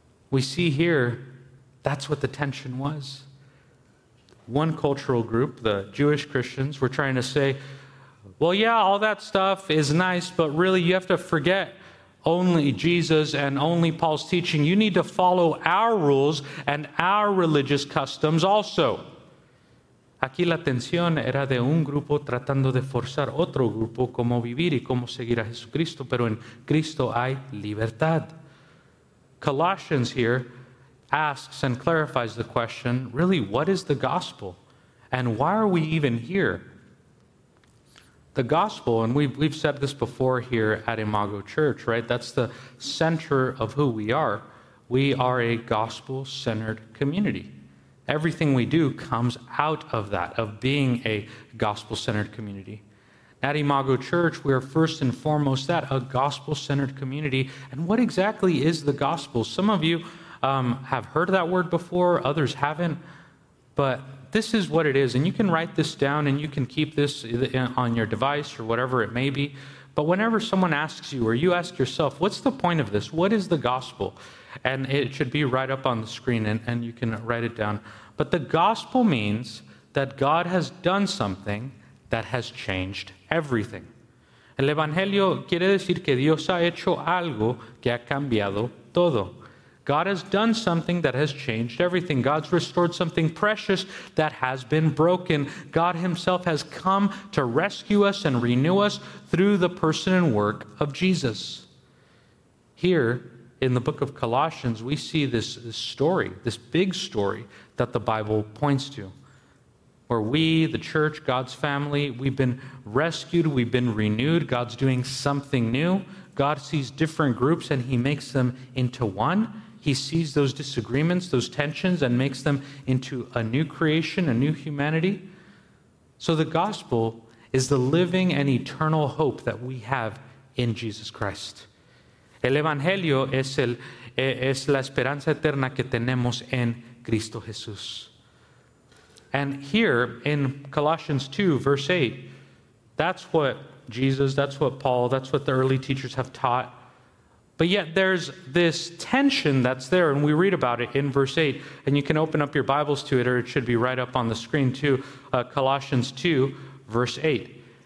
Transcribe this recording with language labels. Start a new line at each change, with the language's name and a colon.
English: We see here, that's what the tension was. One cultural group, the Jewish Christians, were trying to say, well, yeah, all that stuff is nice, but really you have to forget only Jesus and only Paul's teaching. You need to follow our rules and our religious customs also.
Spanish: Aquí la tensión era de un grupo tratando de forzar otro grupo cómo vivir y cómo seguir a Jesucristo, pero en Cristo hay libertad.
English: Colossians here asks and clarifies the question, really, what is the gospel? And why are we even here? The gospel, and we've said this before here at Imago Church, right? That's the center of who we are. We are a gospel-centered community. Everything we do comes out of that, of being a gospel-centered community. At Imago Church, we are first and foremost that, a gospel-centered community. And what exactly is the gospel? Some of you have heard that word before, others haven't, but this is what it is. And you can write this down and you can keep this on your device or whatever it may be. But whenever someone asks you or you ask yourself, what's the point of this? What is the gospel? And it should be right up on the screen and you can write it down. But the gospel means that God has done something that has changed everything.
Spanish: El evangelio quiere decir que Dios ha hecho algo que ha cambiado todo.
English: God has done something that has changed everything. God's restored something precious that has been broken. God himself has come to rescue us and renew us through the person and work of Jesus. Here in the book of Colossians, we see this story, this big story that the Bible points to, where we, the church, God's family, we've been rescued, we've been renewed. God's doing something new. God sees different groups and he makes them into one. He sees those disagreements, those tensions, and makes them into a new creation, a new humanity. So the gospel is the living and eternal hope that we have in Jesus Christ.
Spanish: El evangelio es la esperanza eterna que tenemos en Cristo Jesús.
English: And here in Colossians 2, verse 8, that's what Jesus, that's what Paul, that's what the early teachers have taught. But yet there's this tension that's there, and we read about it in verse 8, and you can open up your Bibles to it, or it should be right up on the screen too, Colossians 2, verse 8.